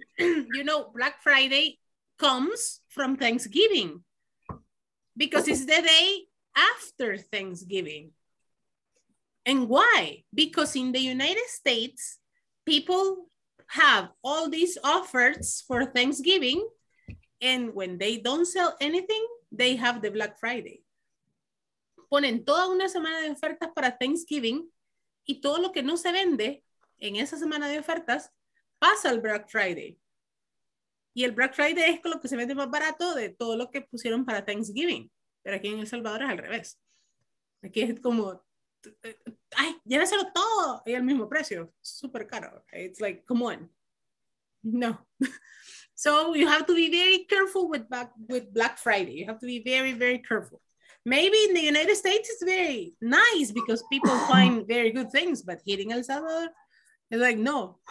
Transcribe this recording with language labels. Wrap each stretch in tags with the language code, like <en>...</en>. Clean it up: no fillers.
<en>You know, Black Friday comes from Thanksgiving because it's the day after Thanksgiving. And why? Because in the United States, people have all these offers for Thanksgiving, and when they don't sell anything, they have the Black Friday.</en> <es>Ponen toda una semana de ofertas para Thanksgiving, y todo lo que no se vende en esa semana de ofertas pasa al Black Friday. Y el Black Friday es lo que se vende más barato de todo lo que pusieron para Thanksgiving. Pero aquí en El Salvador es al revés. Aquí es como, ay, lléveselo todo y al mismo precio. Súper caro.</es> <en>It's like, come on. No. So you have to be very careful with Black Friday. You have to be very, very careful. Maybe in the United States it's very nice because people find very good things, but here in El Salvador, it's like, no.</en>